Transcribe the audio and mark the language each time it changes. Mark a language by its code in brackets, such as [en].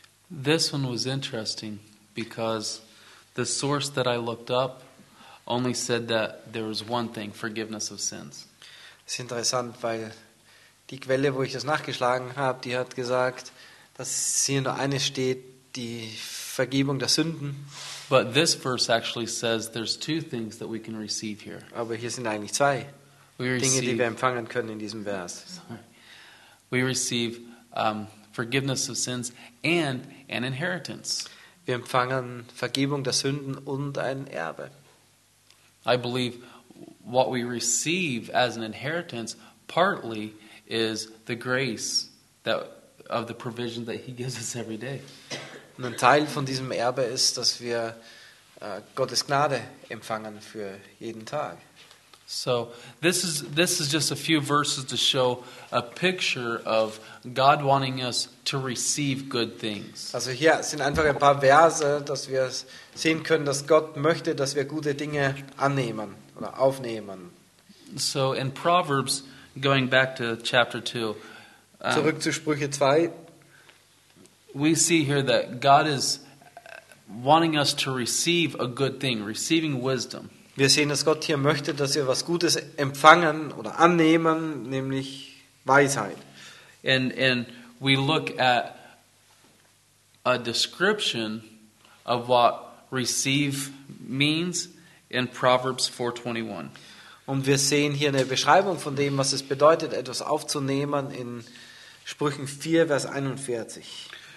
[en] This one was interesting because the source that I looked up only said that there was one thing, forgiveness of sins. [de] Es ist interessant, weil die Quelle, wo ich das nachgeschlagen habe, die hat gesagt, dass hier nur eines steht, die Vergebung der Sünden. [en] But this verse actually says there's two things that we can receive here. [de] Aber hier sind eigentlich zwei Dinge, die wir empfangen können in diesem Vers. [en] Sorry. We receive forgiveness of sins and an inheritance. [de] Wir empfangen Vergebung der Sünden und ein Erbe. [en] I believe what we receive as an inheritance partly is the grace that of the provision that he gives us every day. [de] Und ein Teil von diesem Erbe ist, dass wir Gottes Gnade empfangen für jeden Tag. [en] So this is just a few verses to show a picture of God wanting us to receive good things. [de] Also hier sind einfach ein paar Verse, dass wir sehen können, dass Gott möchte, dass wir gute Dinge annehmen oder aufnehmen. [en] So in Proverbs, going back to chapter 2. [de] Zurück zu Sprüche 2. [en] We see here that God is wanting us to receive a good thing, receiving wisdom. [de] Wir sehen, dass Gott hier möchte, dass wir was Gutes empfangen oder annehmen, nämlich Weisheit. [en] And we look at a description of what receive means in Proverbs 4:21. [de] Und wir sehen hier eine Beschreibung von dem, was es bedeutet, etwas aufzunehmen in Sprüchen 4, Vers 41.